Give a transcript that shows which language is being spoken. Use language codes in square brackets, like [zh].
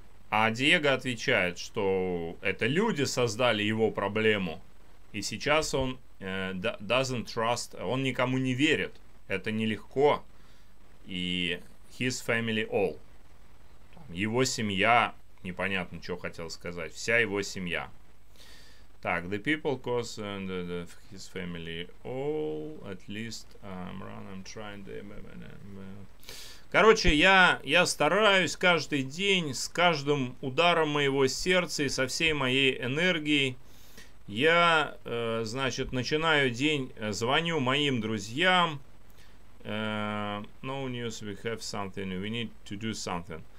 [ru] А Диего отвечает, что это люди создали его проблему. И сейчас он [en] doesn't trust, [ru] он никому не верит. Это нелегко. [en] И his family all. [ru] Его семья, непонятно, что хотел сказать, вся его семья. [en] Так, the people cause and his family all, at least I'm trying to... [ru] Короче, я стараюсь каждый день, с каждым ударом моего сердца и со всей моей энергией, я, значит, начинаю день, звоню моим друзьям. [en] No news, we have something, we need to do something.